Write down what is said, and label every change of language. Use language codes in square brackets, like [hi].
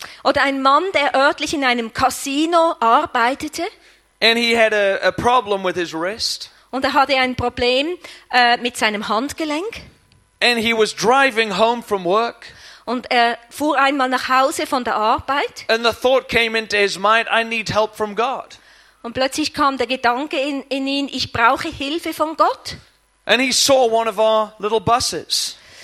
[de] Oder ein Mann, der örtlich in einem Casino arbeitete. [en] And he had a problem with his wrist. [de] Und hatte ein Problem mit seinem Handgelenk. [en] And he was driving home from work. [de] Und fuhr einmal nach Hause von der Arbeit. [en] And the thought came into his mind, I need help from God. [de] Und plötzlich kam der Gedanke in ihn, ich brauche Hilfe von Gott. [en] And he saw one of our little buses.